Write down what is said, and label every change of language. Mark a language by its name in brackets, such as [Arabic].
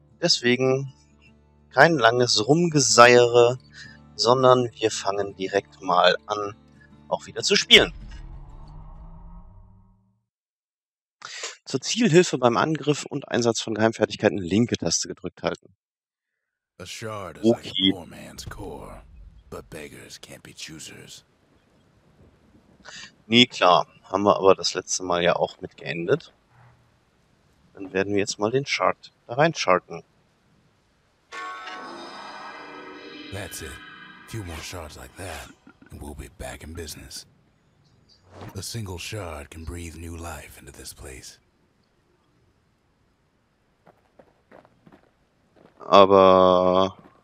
[German] Deswegen kein langes Rumgeseiere, sondern wir fangen direkt mal an, auch wieder zu spielen. Zur Zielhilfe beim Angriff und Einsatz von Geheimfertigkeiten linke Taste gedrückt halten. [English] A shard is okay. Like a poor man's core, but beggars can't be choosers. [German] Nee, klar. Haben wir aber das letzte Mal ja auch mit geendet. Dann werden wir jetzt mal den Shard da reincharten. [English] That's it. Few more shards like that, and we'll be back in business. A single shard can breathe new life into this place. [German] Aber